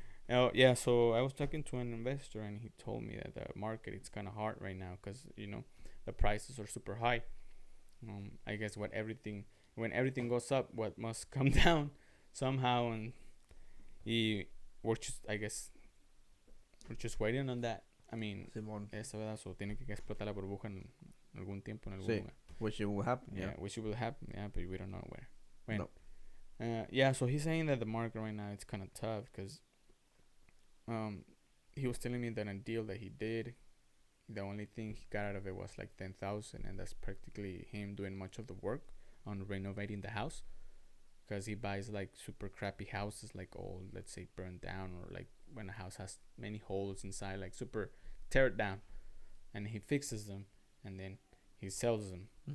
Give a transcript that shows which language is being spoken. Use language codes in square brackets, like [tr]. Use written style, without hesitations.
[en] Oh, yeah, so I was talking to an investor, and he told me that the market, it's kind of hard right now because, you know, the prices are super high. I guess what everything, when everything goes up, what must come down somehow, and we're just waiting on that. I mean, [es] Simón. Esa verdad, so tiene que explotar la burbuja en algún tiempo, en algún lugar. [en] Which it will happen, yeah. Which it will happen, yeah, but we don't know where. When. No. Yeah, so he's saying that the market right now, it's kind of tough because he was telling me that a deal that he did, the only thing he got out of it was like $10,000, and that's practically him doing much of the work on renovating the house, because he buys like super crappy houses, like old, let's say burned down, or like when a house has many holes inside, like super tear it down, and he fixes them and then he sells them.